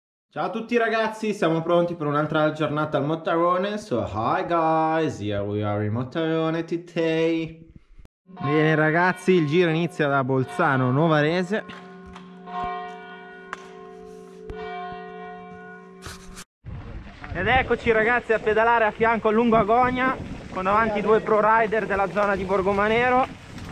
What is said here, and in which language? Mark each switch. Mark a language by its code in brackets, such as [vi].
[it] Ciao a tutti ragazzi, siamo pronti per un'altra giornata al Motorone. [en] So hi guys, here we are in Motorone today. [it] Bene ragazzi, il giro inizia da Bolzano Novarese. Ed eccoci ragazzi a pedalare a fianco a Lungo Agonia con davanti due pro rider della zona di Borgomanero.